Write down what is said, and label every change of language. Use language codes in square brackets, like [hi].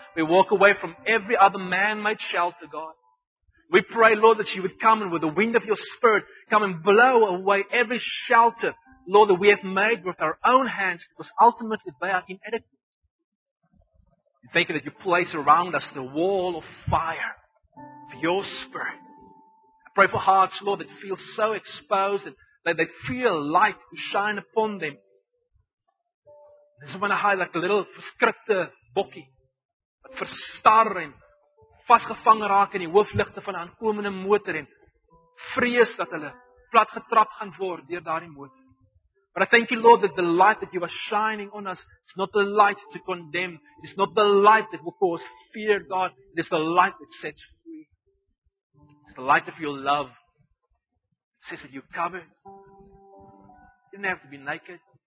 [en] We walk away from every other man-made shelter, God. We pray, Lord, that you would come and with the wind of your Spirit, come and blow away every shelter, Lord, that we have made with our own hands, because ultimately they are inadequate. We thank you that you place around us the wall of fire for your Spirit. Pray for hearts, Lord, that feel so exposed and that they feel light to shine upon them. I just want to hide like a little [af] verskripte bokkie. Wat verstar en vastgevang raak in die hoofligte van 'n aankomende motor en vrees dat hulle plat getrap gaan word deur daardie motor. [en] But I thank you, Lord, that the light that you are shining on us is not the light to condemn. It is not the light that will cause fear, God. It is the light that sets free. The light of your love says that you're covered. You don't have to be naked.